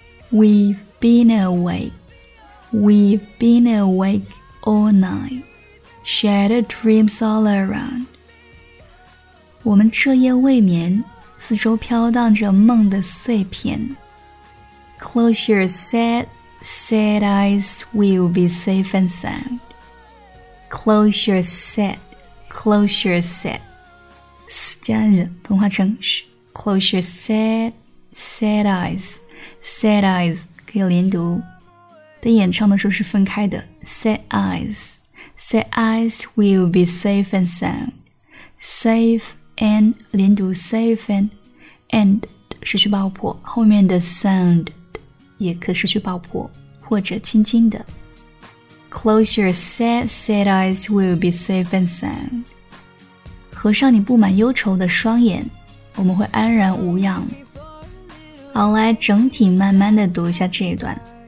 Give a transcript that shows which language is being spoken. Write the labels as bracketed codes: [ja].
[en] We've been awake. We've been awake all night. Shattered dreams all around. [zh] 我们彻夜未眠，四周飘荡着梦的碎片。 [en] Close your sad eyes, we'll be safe and sound. Close your sad. Close your set. [zh] S 加日同化成 sh. [en] Close your sad eyes. Sad eyes [zh] 可以连读，但演唱的时候是分开的。 [en] Sad eyes. Sad eyes will be safe and sound. Safe and [zh] 连读 safe and 失去爆破，后面的 sound 也可失去爆破，或者轻轻的。 [en] Close your sad eyes will be safe and sound. [zh] 合上你布满忧愁的双眼，我们会安然无恙。好，来整体慢慢的读一下这一段。